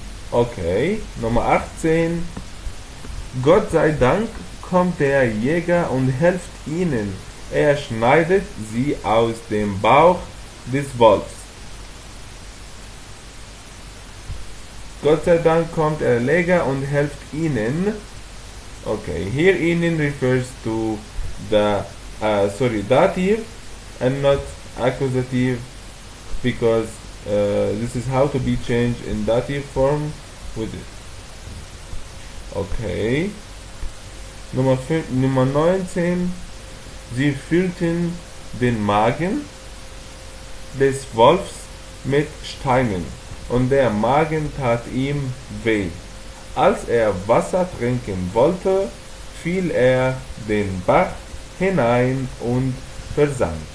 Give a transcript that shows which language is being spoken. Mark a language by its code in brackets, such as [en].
[de] Okay, Nummer 18. Gott sei Dank kommt der Jäger und hilft ihnen, Er schneidet sie aus dem Bauch des Wolfs. Gott sei Dank kommt Erleger und hilft ihnen. [en] Okay, [de] hier [en] ihnen refers to the sorry, dative and not accusative, because this is how to be changed in dative form with it. [de] Okay. Nummer 19. Sie füllten den Magen des Wolfs mit Steinen und der Magen tat ihm weh. Als er Wasser trinken wollte, fiel er den Bach hinein und versank.